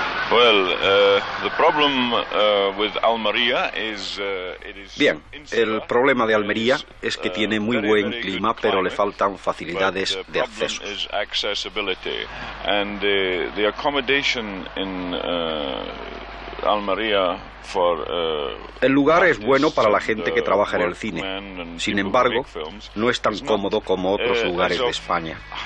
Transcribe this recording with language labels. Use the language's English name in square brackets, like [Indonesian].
[English] Well, the problem with Almería is it is. [Spanish] Bien, el problema de Almería es que tiene muy buen clima, pero le faltan facilidades de acceso. [English] The problem is accessibility, and the accommodation in Almería. [Spanish] El lugar es bueno para la gente que trabaja en el cine. Sin embargo, no es tan cómodo como otros lugares de España.